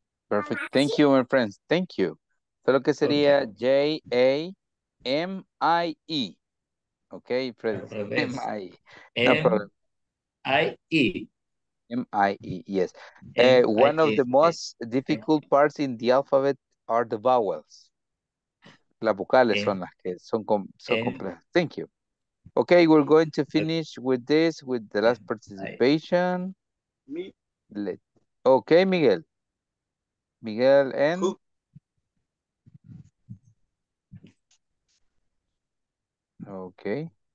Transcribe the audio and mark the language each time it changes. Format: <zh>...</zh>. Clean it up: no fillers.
<en>Perfect. Thank you, my friends. Thank you. So, lo que sería okay. J-A-M-I-E. Okay, friends. M-I-E. M-I-E, yes. One of the most difficult parts in the alphabet are the vowels.</en> <es>Las vocales son las que son, son complejas.</es> <en>Thank you. Okay, we're going to finish with this, with the last participation. Me. Okay, Miguel. Miguel and... Okay.</en>